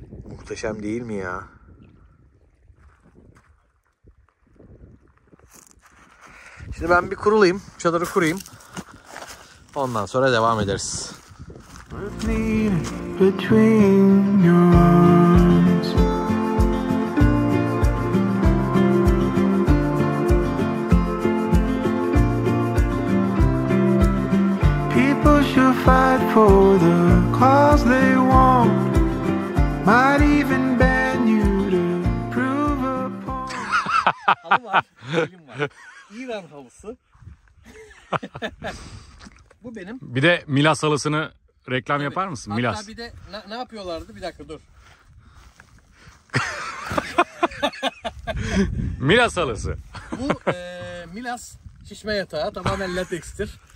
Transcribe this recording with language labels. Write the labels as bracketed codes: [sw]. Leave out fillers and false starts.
[tr] Muhteşem değil mi ya? Şimdi ben bir kurulayım, çadırı kurayım. Ondan sonra devam ederiz. [en] People should fight for the cause they want. Might even ban you to prove a point. [tr] İran halısı. Bu benim. Bir de Milas halısını reklam tabii yapar mısın? Hatta Milas. Bir de ne yapıyorlardı? Bir dakika dur. Milas halısı. Bu Milas şişme yatağı tamamen latekstir.